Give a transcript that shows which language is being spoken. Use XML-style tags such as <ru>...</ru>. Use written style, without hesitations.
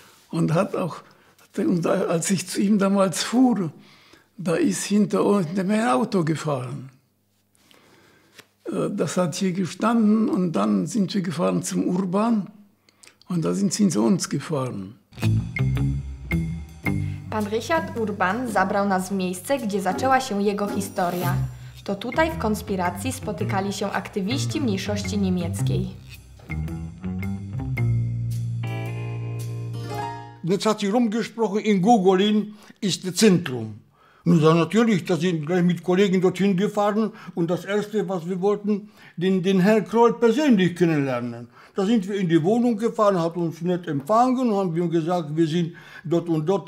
<de>Und hat auch, als ich zu ihm damals fuhr, da ist hinter uns mein Auto gefahren. Das hat hier gestanden und dann sind wir gefahren zum Urban und da sind sie zu uns gefahren.</de> <pl>Pan Richard Urban zabrał nas w miejsce, gdzie zaczęła się jego historia. To tutaj w konspiracji spotykali się aktywiści mniejszości niemieckiej.</pl> <de>Jetzt hat sie rumgesprochen, in Gogolin ist das Zentrum. Nun, dann natürlich, da sind gleich mit Kollegen dorthin gefahren und das Erste, was wir wollten, den Herrn Kroll persönlich kennenlernen. Da sind wir in die Wohnung gefahren, hat uns nett empfangen und haben gesagt, wir sind dort und dort.</de>